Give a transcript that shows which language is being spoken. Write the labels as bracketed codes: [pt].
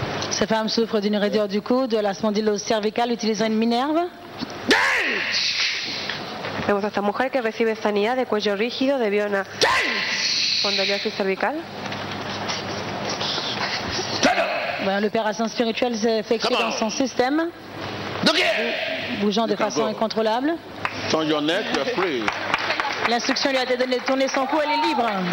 [fr] Cette femme souffre d'une raideur du cou, de la spondylose cervicale, utilisant une minerve. [es] Vemos a esta mujer que recibe sanidad de cuello rígido debido a una espondilosis cervical. [fr] Bueno, l'opération spirituelle s'est effectuée dans son système, bougeant de façon incontrôlable. [en] Turn your neck, you're free. [fr] L'instruction lui a été donnée de tourner son cou, elle est libre.